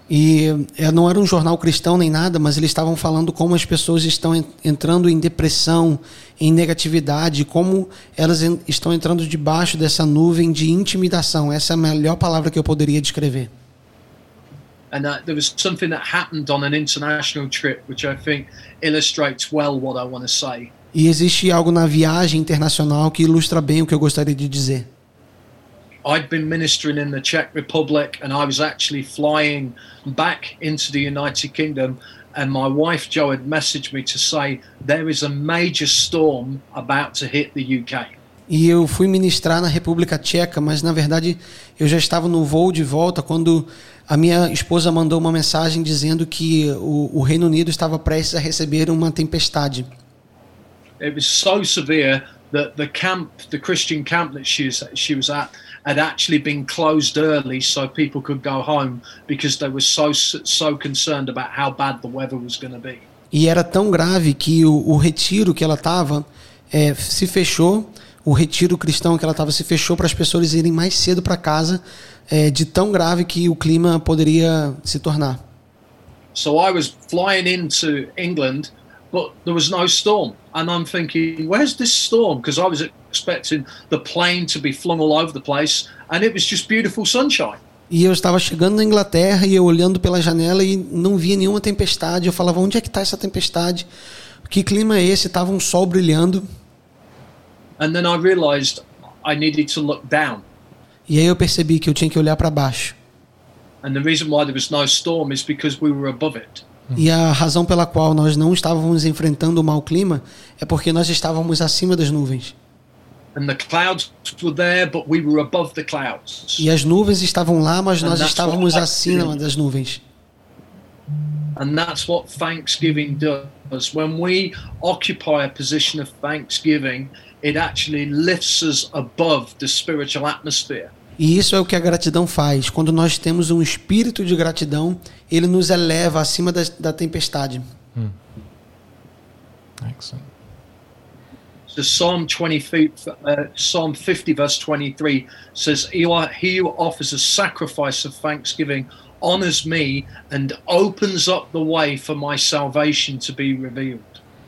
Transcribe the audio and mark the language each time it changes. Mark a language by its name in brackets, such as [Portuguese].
[Portuguese] E não era um jornal cristão nem nada, mas eles estavam falando como as pessoas estão entrando em depressão, em negatividade, como elas estão entrando debaixo dessa nuvem de intimidação. Essa é a melhor palavra que eu poderia descrever. [English] And there was something that happened on an international trip, which I think illustrates well what I want to say. [Portuguese] E existe algo na viagem internacional que ilustra bem o que eu gostaria de dizer. [English] I'd been ministering in the Czech Republic, and I was actually flying back into the United Kingdom. And my wife Jo had messaged me to say there is a major storm about to hit the UK. [Portuguese] E eu fui ministrar na República Tcheca, mas na verdade eu já estava no voo de volta quando a minha esposa mandou uma mensagem dizendo que o Reino Unido estava prestes a receber uma tempestade. [English] It was so severe that the camp, the Christian camp that she was at, had actually been closed early so people could go home because they were so concerned about how bad the weather was going to be. [Portuguese] E era tão grave que o retiro que ela estava se fechou, o retiro cristão que ela estava se fechou para as pessoas irem mais cedo para casa, de tão grave que o clima poderia se tornar. [English] So I was flying into England, but there was no storm, and I'm thinking, where's this storm? Because I was expecting the plane to be flung all over the place, and it was just beautiful sunshine. [Portuguese] E eu estava chegando na Inglaterra e eu olhando pela janela e não via nenhuma tempestade. Eu falava, onde é que está essa tempestade? Que clima é esse? Tava um sol brilhando. [English] And then I realized I needed to look down. [Portuguese] E aí eu percebi que eu tinha que olhar para baixo. [English] And the reason why there was no storm is because we were above it. [Portuguese] E a razão pela qual nós não estávamos enfrentando o mau clima é porque nós estávamos acima das nuvens. [English] And the clouds were there, but we were above the clouds. [Portuguese] E as nuvens estavam lá, mas nós estávamos acima das nuvens. [English] And that's what Thanksgiving does. When we occupy a position of thanksgiving, it actually lifts us above the spiritual atmosphere. [Portuguese] E isso é o que a gratidão faz. Quando nós temos um espírito de gratidão, ele nos eleva acima da tempestade. [English] Excellent. The Psalm 50, verse 23 says, "He who offers a sacrifice of thanksgiving honors me and opens up the way for my salvation to be revealed."